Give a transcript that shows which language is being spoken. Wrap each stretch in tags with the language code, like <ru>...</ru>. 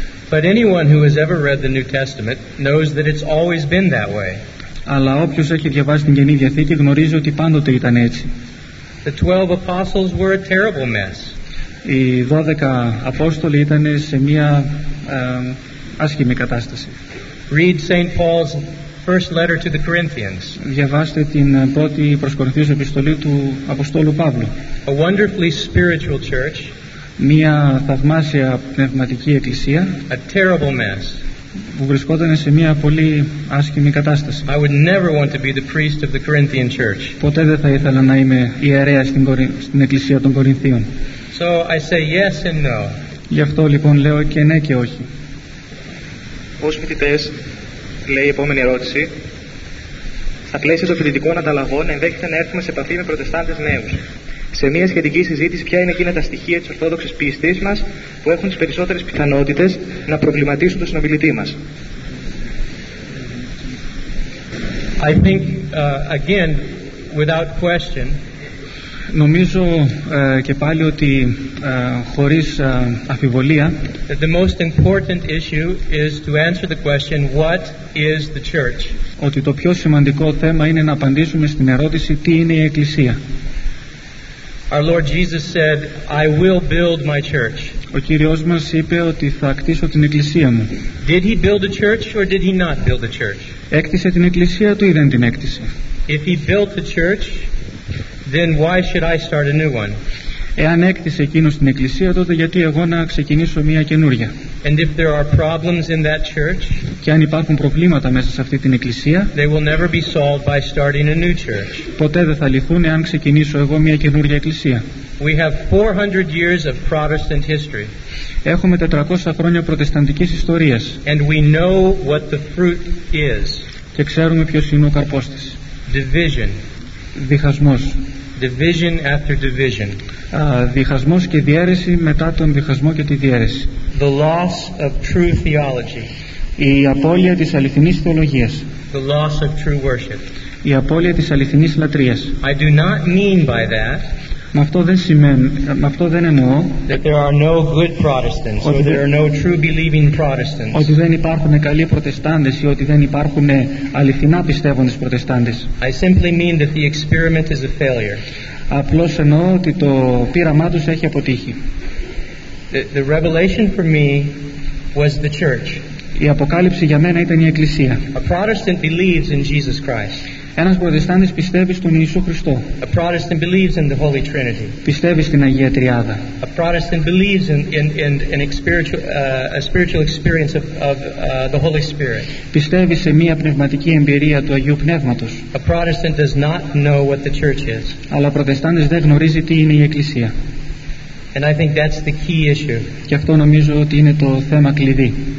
<en>But anyone who has ever read the New Testament knows that it's always been that way.</en> <el>Αλλά όποιος έχει διαβάσει την Καινή Διαθήκη γνωρίζει ότι πάντοτε ήταν έτσι.</el> <en>The 12 apostles were a terrible mess.</en> <el>Οι 12 Απόστολοι ήταν σε μια άσχημη κατάσταση.</el> <en>Read St. Paul's first letter to the Corinthians.</en> <el>Διαβάστε την πρώτη προς Κορινθίους επιστολή του Αποστόλου Παύλου.</el> <en>A wonderfully spiritual church.</en> <el>Μια θαυμάσια πνευματική εκκλησία.</el> <en>A terrible mess.</en> <el>Που βρισκόταν σε μια πολύ άσχημη κατάσταση.</el> <en>I would never want to be the priest of the Corinthian church.</en> <el>Ποτέ δεν θα ήθελα να είμαι ιερέας στην εκκλησία των Κορινθίων.</el> <en>So I say yes and no.</en> <el>Γι' αυτό λοιπόν λέω και ναι και όχι. Ως φοιτητές, λέει η επόμενη ερώτηση, στα πλαίσια των φοιτητικών ανταλλαγών ενδέχεται να έρθουμε σε επαφή με προτεστάντες νέους. Σε μια σχετική συζήτηση, ποια είναι εκείνα τα στοιχεία της ορθόδοξης πίστης μας που έχουν τις περισσότερες πιθανότητες να προβληματίσουν τον συνομιλητή μας?</el> <en>I think, again, without question,</en> <el>νομίζω και πάλι ότι χωρίς αφιβολία,</el> <en>the most important issue is to answer the question, what is the church?</en> <el>Ότι το πιο σημαντικό θέμα είναι να απαντήσουμε στην ερώτηση τι είναι η Εκκλησία.</el> <en>Our Lord Jesus said, I will build my church.</en> <el>Ο Κύριος μας είπε ότι θα κτίσω την Εκκλησία μου.</el> <en>Did he build a church or did he not build a church?</en> <el>Έκτισε την Εκκλησία του ή δεν την έκτισε?</el> <en>If he built the church, then why should I start a new one?</en> <el>Εάν έκτισε εκείνος την Εκκλησία, τότε γιατί εγώ να ξεκινήσω μια καινούρια?</el> <en>And if there are problems in that church,</en> <el>και αν υπάρχουν προβλήματα μέσα σε αυτή την Εκκλησία,</el> <en>they will never be solved by starting a new church.</en> <el>Ποτέ δεν θα λυθούν εάν ξεκινήσω εγώ μια καινούρια Εκκλησία.</el> <en>We have 400 years of Protestant history.</en> <el>Έχουμε 400 χρόνια προτεσταντικής ιστορίας.</el> <en>And we know what the fruit is.</en> <el>Και ξέρουμε ποιος είναι ο καρπός της.</el> <en>Division.</en> <el>Διχασμός.</el> <en>Division after division.</en> <el>Διχασμός και διαίρεση μετά τον διχασμό και τη διαίρεση.</el> <en>The loss of true theology.</en> <el>Η απώλεια της αληθινής θεολογίας.</el> <en>The loss of true worship.</en> <el>Η απώλεια της αληθινής λατρείας.</el> <en>I do not mean by that.</en> <el>Με αυτό δεν εννοώ</el> <en>that there are no good Protestants,</en> <el>ότι,</el> <en>or there are no true believing Protestants.</en> <el>Ότι δεν υπάρχουν καλοί Προτεστάντες ή ότι δεν υπάρχουν αληθινά πιστεύοντες Προτεστάντες.</el> <en>I simply mean that the experiment is a failure.</en> <el>Απλώς εννοώ ότι το πείραμά τους έχει αποτύχει.</el> <en>The revelation for me was the church.</en> <el>Η αποκάλυψη για μένα ήταν η Εκκλησία.</el> <en>A Protestant believes in Jesus Christ.</en> <el>Ένας Προτεστάντης πιστεύει στον Ιησού Χριστό.</el> <en>A Protestant believes in the Holy Trinity.</en> <el>Πιστεύει στην Αγία Τριάδα.</el> <en>A Protestant believes in a spiritual experience of the Holy Spirit.</en> <el>Πιστεύει σε μια πνευματική εμπειρία του Αγίου Πνεύματος.</el> <en>A Protestant does not know what the church is.</en> <el>Αλλά ο Προτεστάντης δεν γνωρίζει τι είναι η Εκκλησία.</el> <en>And I think that's the key issue.</en> <el>Και αυτό νομίζω ότι είναι το θέμα κλειδί.</el>